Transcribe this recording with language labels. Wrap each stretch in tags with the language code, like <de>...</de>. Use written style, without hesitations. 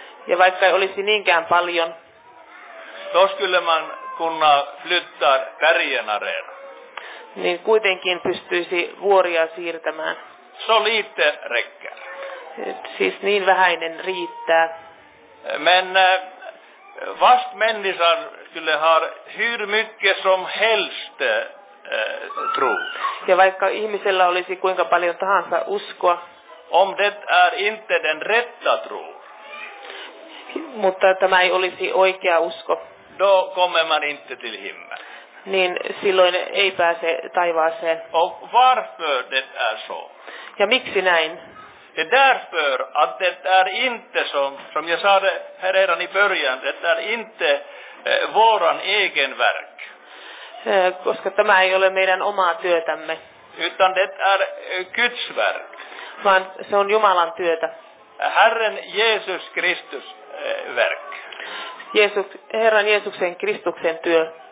<fi>Ja vaikka ei olisi niinkään paljon.</fi> <sv>Då skulle man kunna flytta bergen areena.</sv> <fi>Niin kuitenkin pystyisi vuoria siirtämään.</fi> <sv>Så lite räcker.</sv> <fi>Siis niin vähäinen riittää.</fi> <sv>Men vast människan skulle ha hur mycket som helst tro.</sv> <fi>Ja vaikka ihmisellä olisi kuinka paljon tahansa uskoa.</fi> <sv>Om det är inte den rätta tro.</sv> <fi>Mutta tämä ei olisi oikea usko.</fi> <sv>Då kommer man inte till himmel.</sv> <fi>Niin silloin ei pääse taivaaseen.</fi> <sv>Och varför det är så?</sv> <fi>Ja miksi näin?</fi> <sv>Det är därför att det är inte som jag sa det här redan i början, det är inte våran egen verk.</sv> <fi>Koska tämä ei ole meidän omaa työtämme.</fi> <sv>Utan det är Guds verk.</sv> <fi>Vaan se on Jumalan työtä.</fi> <sv>Herren Jesus Kristus verk.</sv> <fi>Herran Jeesuksen Kristuksen työ.</fi>